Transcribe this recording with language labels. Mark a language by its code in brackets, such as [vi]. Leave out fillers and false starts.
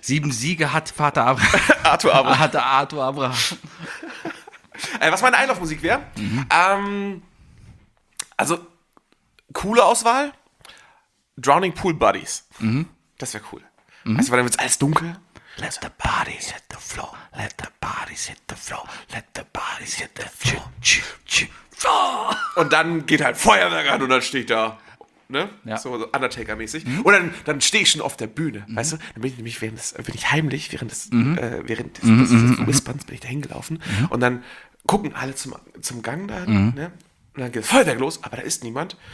[de] Sieben Siege hat Vater Abraham. Arthur Abraham. Hatte Arthur Abraham. Was meine Einlaufmusik wäre? Mhm. Also, coole Auswahl. Drowning Pool Buddies. Mhm. Das wäre cool. Mhm. Weißt du, dann wird es alles dunkel. [en] Let the bodies hit the floor. Let the bodies hit the floor. Let the bodies hit the floor. [de] Und dann geht halt Feuerwerk an und dann steht da. Ne? Ja. So Undertaker-mäßig. Mhm. Und dann stehe ich schon auf der Bühne, mhm. weißt du? Dann bin ich nämlich während des Whisperns bin ich da hingelaufen. Mhm. Und dann gucken alle zum Gang da, ne? Und dann geht es Feuerwerk los, aber da ist niemand.